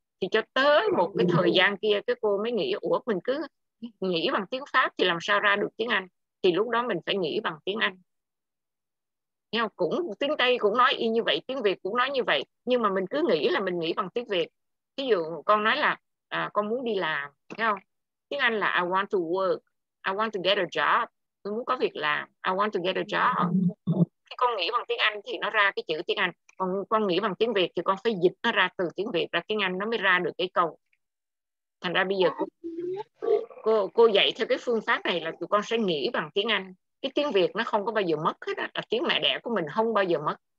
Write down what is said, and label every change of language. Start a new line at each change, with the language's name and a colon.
Vietnamese: Thì cho tới một cái thời gian kia cái cô mới nghĩ, ủa mình cứ nghĩ bằng tiếng Pháp thì làm sao ra được tiếng Anh. Thì lúc đó mình phải nghĩ bằng tiếng Anh. Nhau cũng tiếng Tây cũng nói y như vậy, tiếng Việt cũng nói như vậy, nhưng mà mình cứ nghĩ là mình nghĩ bằng tiếng Việt. Ví dụ con nói là con muốn đi làm, thấy không? Tiếng Anh là
English: I want to work, I want to get a job.
Vietnamese: Tôi muốn có việc làm,
English: I want to get a job.
Vietnamese: Khi con nghĩ bằng tiếng Anh thì nó ra cái chữ tiếng Anh, còn con nghĩ bằng tiếng Việt thì con phải dịch nó ra từ tiếng Việt ra tiếng Anh nó mới ra được cái câu. Thành ra bây giờ cô dạy theo cái phương pháp này là tụi con sẽ nghĩ bằng tiếng Anh. Cái tiếng Việt nó không có bao giờ mất hết á, là tiếng mẹ đẻ của mình không bao giờ mất.